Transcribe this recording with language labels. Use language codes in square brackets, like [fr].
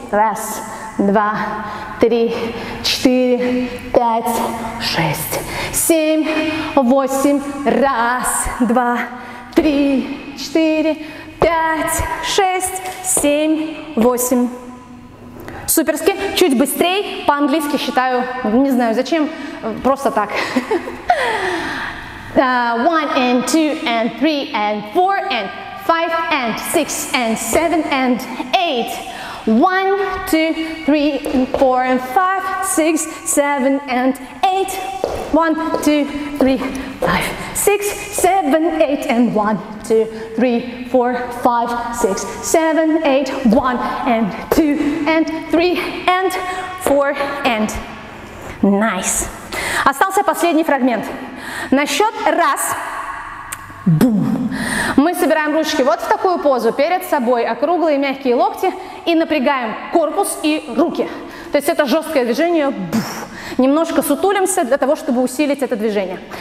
[ru] Раз, два, три, четыре, пять, шесть, семь, восемь. Раз, два, три, четыре, пять, шесть, семь, восемь. Суперски. Чуть быстрее. По-английски считаю, не знаю зачем, просто так. [en] One and two and three and four and five and six and seven and eight. One, two, three, and four, and five, six, seven, and eight. One, two, three, five, six, seven, eight, and one, two, three, four, five, six, seven, eight. One, and two, and three, and four, and nice. [ru] Остался последний фрагмент. На счет раз. Бум. Мы собираем ручки вот в такую позу перед собой, округлые мягкие локти, и напрягаем корпус и руки. То есть это жесткое движение. Буф. Немножко сутулимся для того, чтобы усилить это движение.